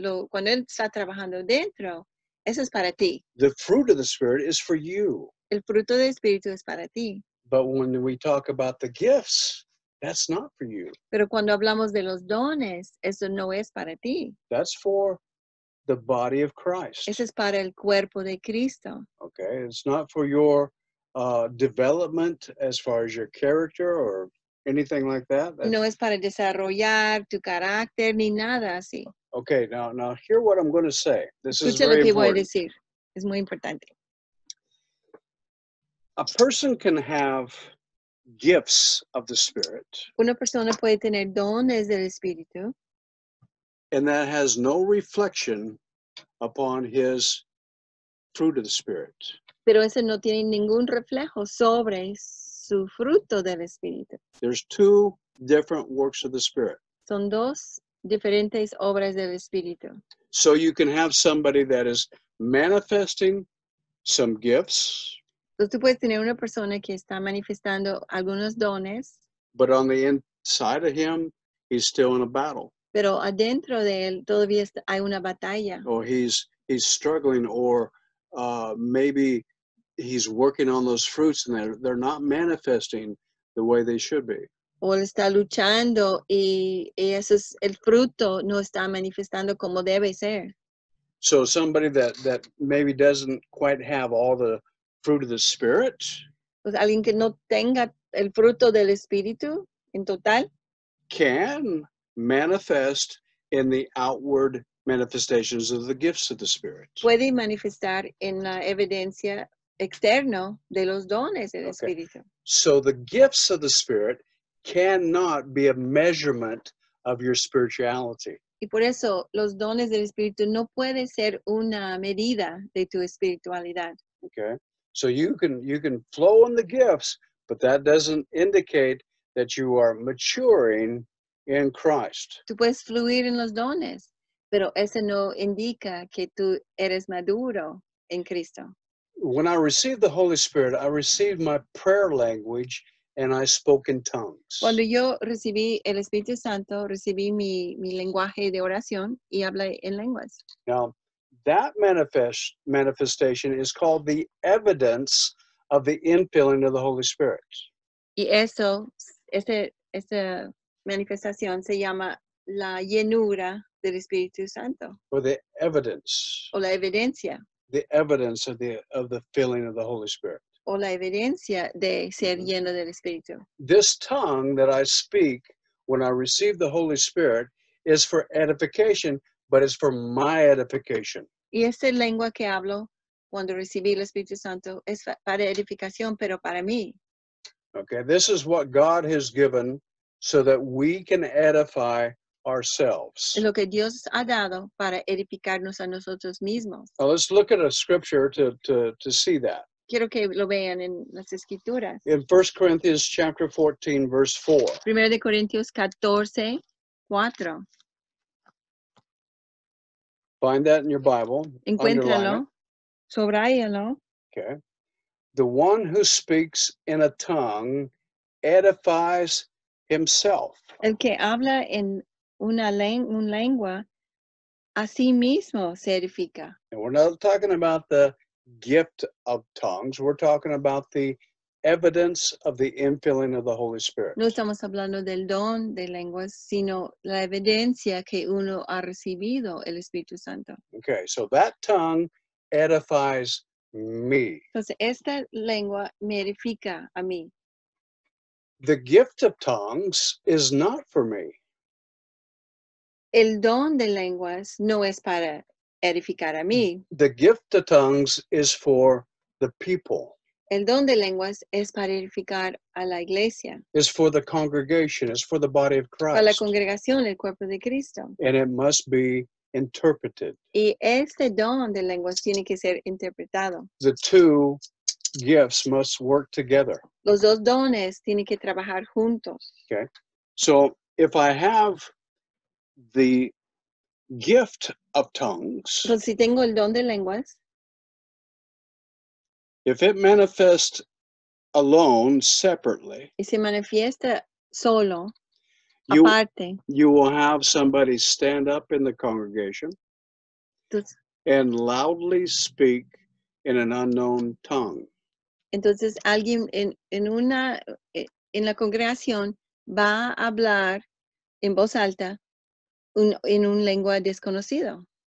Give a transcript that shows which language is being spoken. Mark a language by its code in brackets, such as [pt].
[es] Cuando él está trabajando dentro, eso es para ti. [en] The fruit of the Spirit is for you. [es] El fruto del Espíritu es para ti. [en] But when we talk about the gifts, that's not for you. [es] Pero cuando hablamos de los dones, eso no es para ti. [en] That's for the body of Christ. [es] Eso es para el cuerpo de Cristo. [en] Okay, it's not for your development as far as your character or anything like that. That's... [es] No es para desarrollar tu carácter ni nada así. [en] Okay, now hear what I'm going to say. This [es] Escucha [en] is very [es] lo que [en] important. [es] Voy a decir. Es muy importante. [en] A person can have gifts of the Spirit. [es] Una persona puede tener dones del Espíritu. [en] And that has no reflection upon his fruit of the Spirit. [es] Pero ese no tiene ningún reflejo sobre su fruto del Espíritu. [en] There's two different works of the Spirit. [es] Son dos diferentes obras del Espíritu. [en] So you can have somebody that is manifesting some gifts. [es] Entonces tú puedes tener una persona que está manifestando algunos dones. [en] But on the inside of him, he's still in a battle. [es] Pero adentro de él todavía hay una batalla. [en] Or he's struggling, or maybe he's working on those fruits and they're not manifesting the way they should be. [es] O él está luchando y ese es el fruto no está manifestando como debe ser. [en] So somebody that maybe doesn't quite have all the fruit of the Spirit. [es] Pues alguien que no tenga el fruto del Espíritu en total. [en] Can manifest in the outward manifestations of the gifts of the Spirit. [es] Puede manifestar en la evidencia externa de los dones del Espíritu. [en] So the gifts of the Spirit cannot be a measurement of your spirituality. [es] Y por eso los dones del Espíritu no puede ser una medida de tu espiritualidad. [en] Okay. So you can flow in the gifts, but that doesn't indicate that you are maturing in Christ. [es] Tú puedes fluir en los dones, pero eso no indica que tú eres maduro en Cristo. [en] When I received the Holy Spirit, I received my prayer language and I spoke in tongues. [es] Cuando yo recibí el Espíritu Santo, recibí mi lenguaje de oración y hablé en lenguas. [en] Now, that manifestation is called the evidence of the infilling of the Holy Spirit. [es] Y eso, esa manifestación se llama la llenura del Espíritu Santo. [en] Or the evidence. [es] O la evidencia. [en] The evidence of the filling of the Holy Spirit. [es] O la evidencia de ser lleno del Espíritu. [en] This tongue that I speak when I receive the Holy Spirit is for edification, but it's for my edification. [es] Y esta lengua que hablo cuando recibí el Espíritu Santo es para edificación, pero para mí. [en] Okay, this is what God has given so that we can edify ourselves. [es] Lo que Dios ha dado para edificarnos a nosotros mismos. [en] Now let's look at a scripture to see that. [es] Quiero que lo vean en las escrituras. [en] In 1 Corinthians chapter 14, verse 4. [es] Primero de Corintios 14, 4. [en] Find that in your Bible. [es] Encuéntralo. Subráyalo. [en] Okay. The one who speaks in a tongue edifies himself. [es] El que habla en una lengua, a sí mismo se edifica. [en] And we're not talking about the gift of tongues. We're talking about the evidence of the infilling of the Holy Spirit. [es] No estamos hablando del don de lenguas, sino la evidencia que uno ha recibido el Espíritu Santo. [en] Okay, so that tongue edifies me. [es] Entonces, esta lengua me edifica a mí. [en] The gift of tongues is not for me. [es] El don de lenguas no es para edificar a mí. [en] The gift of tongues is for the people. [es] El don de lenguas es para edificar a la iglesia. [en] It's for the congregation. It's for the body of Christ. [es] Para la congregación, el cuerpo de Cristo. [en] And it must be interpreted. [es] Y este don de lenguas tiene que ser interpretado. [en] The two gifts must work together. [es] Los dos dones tienen que trabajar juntos. [en] Okay. So if I have the gift of tongues, [es] pues si tengo el don de lenguas, [en] if it manifests alone, separately, [es] y se manifiesta solo, aparte, [en] you will have somebody stand up in the congregation and loudly speak in an unknown tongue. [es] Entonces, alguien en la congregación va a hablar en voz alta en un lengua desconocido.